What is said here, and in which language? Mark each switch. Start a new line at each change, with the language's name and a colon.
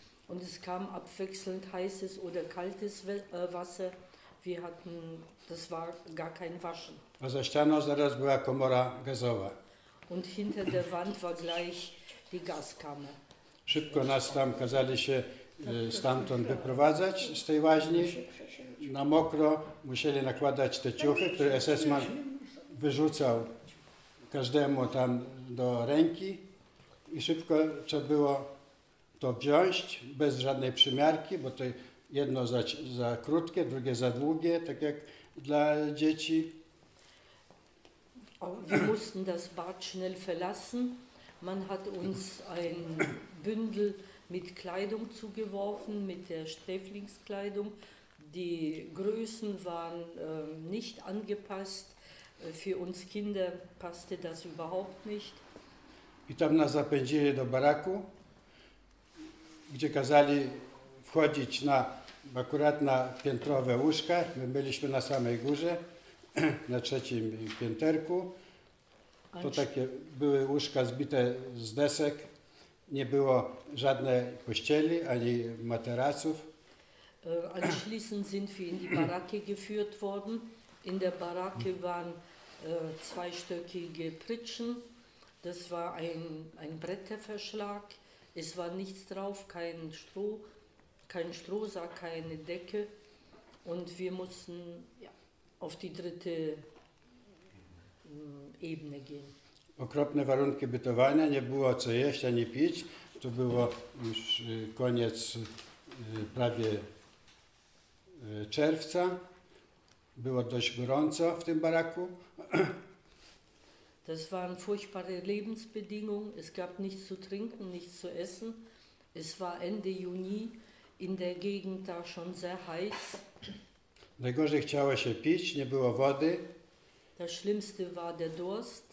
German: Und es kam abwechselnd heißes oder kaltes Wasser. Wir hatten, das war gar kein Waschen.
Polish: A za ścianą zaraz była komora gazowa.
German: Und hinter der Wand war gleich die Gaskammer.
Polish: Szybko nas tam kazali się stamtąd wyprowadzać z tej łaźni. Na mokro musieli nakładać te ciuchy, które SS-man wyrzucał każdemu tam do ręki. I szybko trzeba było to wziąć, bez żadnej przymiarki, bo to jedno za krótkie, drugie za długie, tak jak dla dzieci.
German: Wir mussten das Bad schnell verlassen. Man hat uns ein Bündel mit Kleidung zugeworfen, mit der Sträflingskleidung. Die Größen waren nicht angepasst. Für uns Kinder passte das überhaupt nicht.
Polish: I tam nas zapędzili do baraku, gdzie kazali wchodzić na akurat na piętrowe łóżka. My byliśmy na samej górze, na trzecim pięterku. To takie były łóżka zbite z desek. Nie było żadnej pościeli ani materaców.
German: Anschließend sind wir in die Baracke geführt worden. In der Baracke waren zweistöckige Pritschen. Das war ein Bretterverschlag. Es war nichts drauf, kein Strohsack, keine Decke. Und wir mussten auf die dritte Ebene gehen.
Polish: Okropne warunki bytowania, nie było co jeść ani pić. To było już koniec prawie czerwca. Było dość gorąco w tym baraku.
German: Das waren furchtbare Lebensbedingungen. Es gab nichts zu trinken, nichts zu essen. Es war Ende Juni, in der Gegend da schon sehr heiß.
Polish: Najgorzej chciało się pić, nie było wody.
German: Das Schlimmste war der Durst.